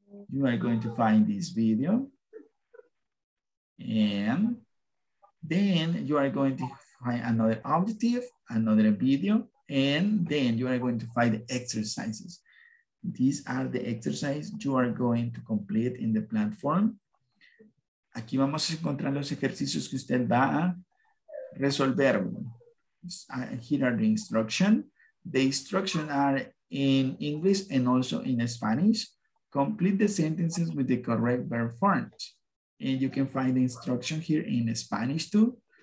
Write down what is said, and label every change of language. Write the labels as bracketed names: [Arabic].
[English] You are going to find this video. And then you are going to find another objective, another video, and then you are going to find the exercises. These are the exercises you are going to complete in the platform. [Spanish] Aquí vamos a encontrar los ejercicios que usted va a resolver. [English] Here are the instructions. The instructions are in English and also in Spanish. Complete the sentences with the correct verb forms. And you can find the instruction here in Spanish too.